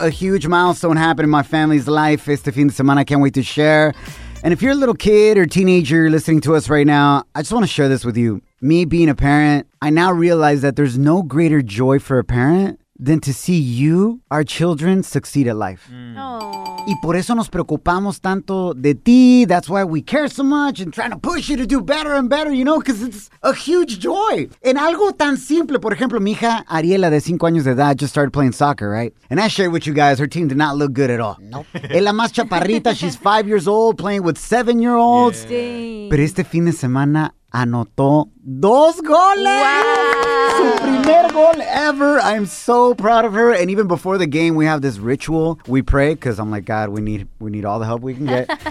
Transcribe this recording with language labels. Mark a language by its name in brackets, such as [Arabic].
[English] A huge milestone happened in my family's life. [Spanish] Este fin de semana, [English] I can't wait to share. And if you're a little kid or teenager listening to us right now, I just want to share this with you. Me being a parent, I now realize that there's no greater joy for a parent than to see you, our children, succeed at life. Aww. [Spanish] Y por eso nos preocupamos tanto de ti. [English] That's why we care so much and trying to push you to do better and better, you know, because it's a huge joy. [Spanish] En algo tan simple, por ejemplo, mi hija Ariela de 5 años de edad [English] just started playing soccer, right? And I shared with you guys, her team did not look good at all. Nope. [Spanish] Es la más chaparrita, [English] she's 5 years old, playing with 7-year-olds. Yeah. Dang. [Spanish] Pero este fin de semana anotó 2 goles. [English] Wow. [Spanish] Su primer gol [English] ever. I'm so proud of her. And even before the game, we have this ritual. We pray because I'm like, God, we need all the help we can get.